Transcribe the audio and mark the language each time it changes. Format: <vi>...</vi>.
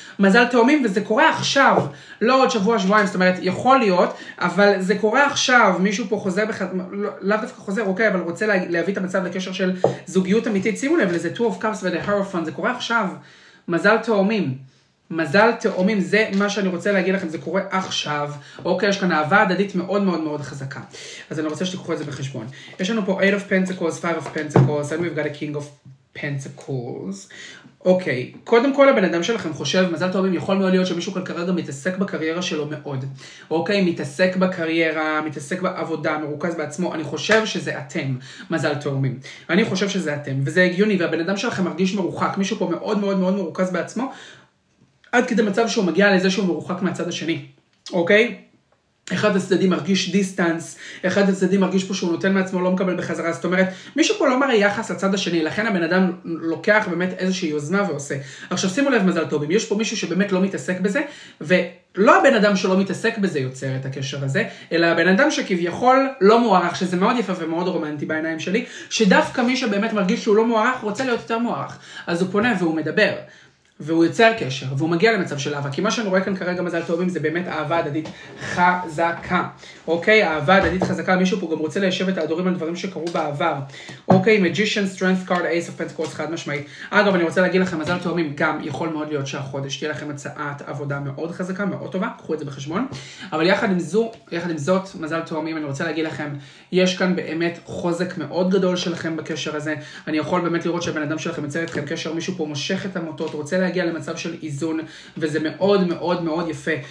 <he>מזל תאומים, וזה קורה עכשיו, לא עוד שבוע, שבועיים, זאת אומרת, יכול להיות, אבל זה קורה עכשיו, מישהו פה חוזר, לאו דווקא חוזר, אוקיי, אבל רוצה להביא את המצב לקשר של זוגיות אמיתית. שימו לב, לזה,</he> <en>two of cups and a hierophant,</en> <he>זה קורה עכשיו. מזל תאומים. מזל תאומים, זה מה שאני רוצה להגיד לכם, זה קורה עכשיו. אוקיי, יש כאן אהבה הדדית מאוד מאוד מאוד חזקה. אז אני רוצה שתקחו את זה בחשבון. יש לנו פה</he> <en>8 of pentacles, 5 of pentacles, and we've got a king of pentacles.</en> <he>אוקיי, קודם כל הבן אדם שלכם חושב, מזל תאומים, יכול מאוד להיות שמישהו כאן כרגע מתעסק בקריירה שלו מאוד. אוקיי, מתעסק בקריירה, מתעסק בעבודה, מרוכז בעצמו, אני חושב שזה אתם, מזל תאומים. אני חושב שזה אתם, וזה הגיוני, והבן אדם שלכם מרגיש מרוחק, מישהו פה מאוד מאוד מאוד מרוכז בעצמו, עד כדי מצב שהוא מגיע לזה שהוא מרוחק מהצד השני, אוקיי? אחד הצדדים מרגיש דיסטנס, אחד הצדדים מרגיש פה שהוא נותן מעצמו, לא מקבל בחזרה, זאת אומרת, מישהו פה לא מראה יחס לצד השני, לכן הבן אדם לוקח באמת איזושהי יוזמה ועושה. עכשיו שימו לב מזל טובים, יש פה מישהו שבאמת לא מתעסק בזה, ולא הבן אדם שלא מתעסק בזה יוצר את הקשר הזה, אלא הבן אדם שכביכול לא מוערך, שזה מאוד יפה ומאוד רומנטי בעיניים שלי, שדווקא מי שבאמת מרגיש שהוא לא מוערך, רוצה להיות יותר מוערך, אז הוא פונה והוא מדבר. והוא יוצר קשר, והוא מגיע למצב של אהבה, כי מה שאני רואה כאן כרגע מזל תאומים זה באמת אהבה הדדית חזקה. אוקיי, אהבה הדדית חזקה, מישהו פה גם רוצה ליישב את ההדורים על דברים שקרו בעבר. אוקיי, Magician Strength Card, Ace of Pentacles, חד משמעית. אגב, אני רוצה להגיד לכם, מזל תאומים גם יכול מאוד להיות שהחודש, תהיה לכם הצעת עבודה מאוד חזקה, מאוד טובה, קחו את זה בחשבון. אבל יחד עם זאת, מזל תאומים, אני רוצה להגיד לכם, יש כאן באמת חוזק מאוד גדול שלכם בקשר הזה. אני יכול באמת לראות שהבן אדם שלכם יוצר אתכם קשר, מישהו פה מושך את המוטות, רוצה להגיע למצב של איזון, וזה מאוד מאוד מאוד יפה.</he>